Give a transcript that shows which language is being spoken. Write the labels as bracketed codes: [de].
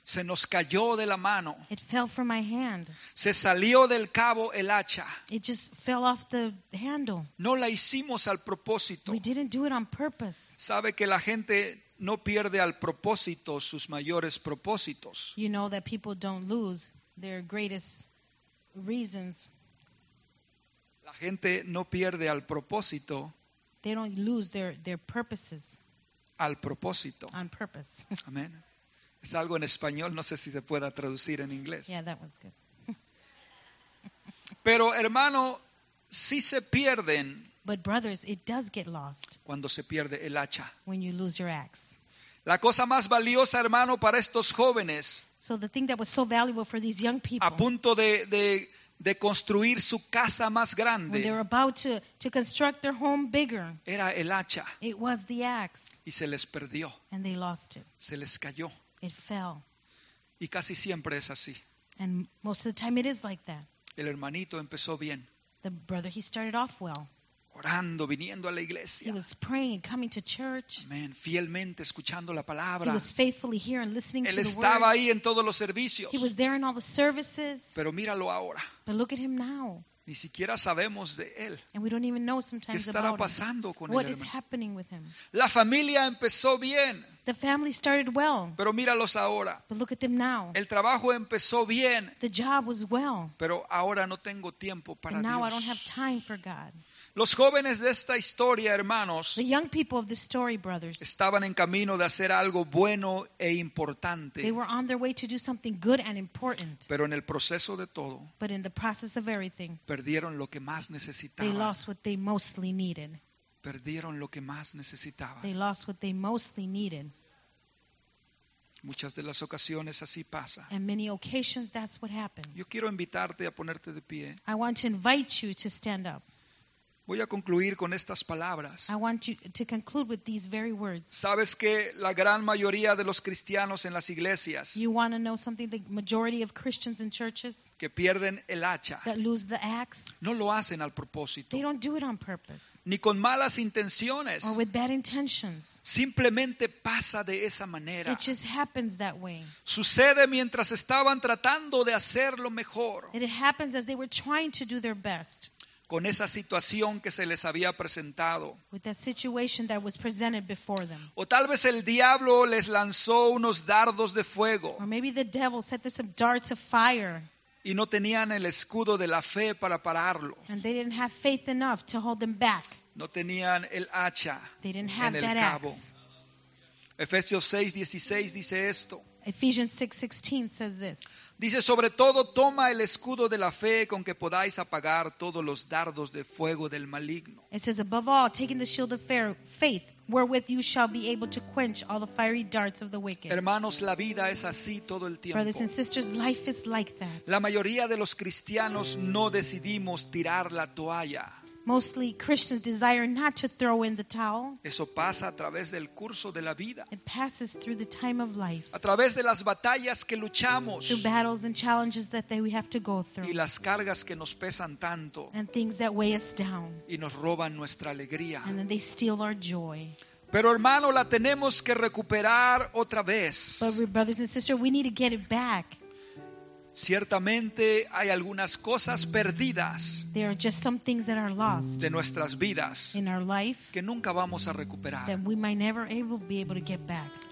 [es] Se nos cayó de la mano. [en] It fell from my hand. [es] Se salió del cabo el hacha. [en] It just fell off the handle. [es] No la hicimos al propósito. [en] We didn't do it on purpose. [es] Sabe que la gente no pierde al propósito sus mayores propósitos. [en] You know that people don't lose their greatest reasons. [es] La gente no pierde al propósito. [en] They don't lose their purposes. [es] Al propósito. [en] On purpose. [es] Amén. Es algo en español, no sé si se pueda traducir en inglés. [en] Yeah, that one's good. [es] Pero hermano, sí se pierden. [en] But brothers, it does get lost. [es] Cuando se pierde el hacha. [en] When you lose your axe. [es] La cosa más valiosa, hermano, para estos jóvenes. [en] So the thing that was so valuable for these young people. [es] A punto de construir su casa más grande. [en] When they were about to construct their home bigger. [es] Era el hacha. [en] It was the axe. [es] Y se les perdió. [en] And they lost it. [es] Se les cayó. [en] It fell. [es] Y casi siempre es así. [en] And most of the time it is like that. [es] El hermanito empezó bien. [en] The brother, he started off well. [es] Orando, viniendo a la iglesia. [en] He was praying and coming to church. [es] Amen. Fielmente escuchando la palabra. [en] He was faithfully here and listening [es] él [en] to the word. [es] Él estaba ahí en todos los servicios. [en] He was there in all the services. [es] Pero míralo ahora. [en] But look at him now. [es] Ni siquiera sabemos de él. [en] And we don't even know sometimes [es] ¿qué estará pasando [en] about him? [es] Con [en] what [es] él, [en] is happening with him? [es] La familia empezó bien. [en] The family started well. [es] Pero míralos ahora. [en] But look at them now. [es] El trabajo empezó bien. [en] The job was well. [es] Pero ahora no tengo tiempo para [en] and now [es] Dios. [en] I don't have time for God. [es] Los jóvenes de esta historia, hermanos, [en] the young people of this story, brothers, [es] estaban en camino de hacer algo bueno e importante. [en] They were on their way to do something good and important. [es] Pero en el proceso de todo, [en] but in the process of everything, [es] perdieron lo que más necesitaban. [en] They lost what they mostly needed. [es] Perdieron lo que más necesitaban. [en] They lost what they mostly needed. [es] Muchas de las ocasiones así pasa. [en] And many occasions that's what happens. [es] Yo quiero invitarte a ponerte de pie. [en] I want to invite you to stand up. [es] Voy a concluir con estas palabras. [en] I want you to conclude with these very words. [es] ¿Sabes que la gran mayoría de los cristianos en las iglesias? [en] You want to know something? The majority of Christians in churches [es] que pierden el hacha, [en] that lose the axe, [es] no lo hacen al propósito. [en] They don't do it on purpose. [es] Ni con malas intenciones. [en] Or with bad intentions. [es] Simplemente pasa de esa manera. [en] It just happens that way. [es] Sucede mientras estaban tratando de hacer lo mejor. [en] It happens as they were trying to do their best. [es] Con esa situación que se les había presentado. [en] With that situation that was presented before them. [es] O tal vez el diablo les lanzó unos dardos de fuego. [en] Or maybe the devil set them some darts of fire. [es] Y no tenían el escudo de la fe para pararlo. [en] And they didn't have faith enough to hold them back. [es] No tenían el hacha en el cabo. Efesios 6:16 dice esto. [en] Ephesians 6:16 says this. [es] Dice, sobre todo, toma el escudo de la fe con que podáis apagar todos los dardos de fuego del maligno. [en] It says, above all, taking the shield of faith, wherewith you shall be able to quench all the fiery darts of the wicked. [es] Hermanos, la vida es así todo el tiempo. [en] Brothers and sisters, life is like that. [es] La mayoría de los cristianos no decidimos tirar la toalla. [en] Mostly Christians desire not to throw in the towel. [es] Eso pasa a través del curso de la vida. [en] It passes through the time of life. [es] A través de las batallas que luchamos. [en] Through battles and challenges that we have to go through. [es] Y las cargas que nos pesan tanto. [en] And things that weigh us down. [es] Y nos roban nuestra alegría. [en] And then they steal our joy. [es] Pero hermano, la tenemos que recuperar otra vez. [en] But brothers and sisters, we need to get it back. [es] Ciertamente hay algunas cosas perdidas [en] there are just some things that are lost [es] de nuestras vidas [en] in our life [es] que nunca vamos a recuperar [en] that we might never be able to get back.